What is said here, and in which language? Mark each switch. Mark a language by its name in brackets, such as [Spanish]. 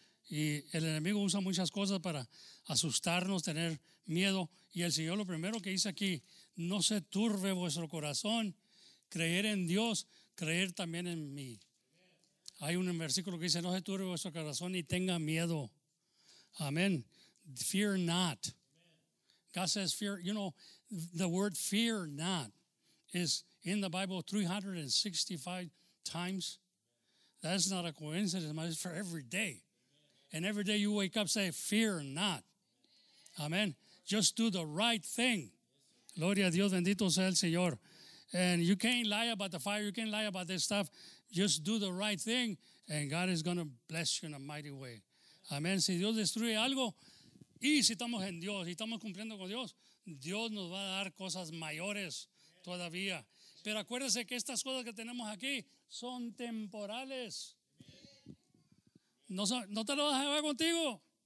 [Spanish] Y el enemigo usa muchas cosas para asustarnos, tener miedo. Y el Señor lo primero que dice aquí, no se turbe vuestro corazón. Creer en Dios, creer también en mí. Hay un versículo que dice, no se turbe vuestro corazón y tenga miedo. [English] Amén. Fear not. God says fear. You know, the word fear not is in the Bible 365 times. That's not a coincidence. It's for every day. And every day you wake up, say, fear not. Amén. Just do the right thing. [Spanish] Gloria a Dios, bendito sea el Señor. [English] And you can't lie about the fire. You can't lie about this stuff. Just do the right thing, and God is going to bless you in a mighty way. [Spanish] Amén. Si Dios destruye algo, y si estamos en Dios, y estamos cumpliendo con Dios, Dios nos va a dar cosas mayores todavía. Pero acuérdese que estas cosas que tenemos aquí son temporales. No te lo vas a llevar contigo.